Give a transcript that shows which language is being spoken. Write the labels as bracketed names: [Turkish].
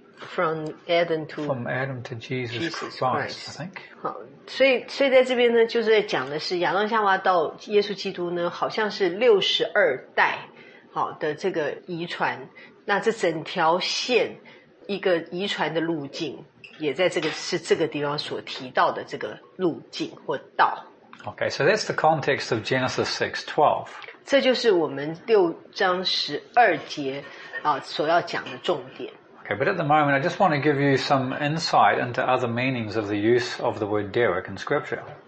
[English] From Adam to Jesus Christ, I think. [Chinese] 也在这个是这个地方所提到的这个路径或道。Okay, [English] so that's the context of Genesis 6:12. [Chinese] 这就是我们六章十二节所要讲的重点。Okay, [English] but at the moment, I just want to give you some insight into other meanings of the use of the word derech in Scripture.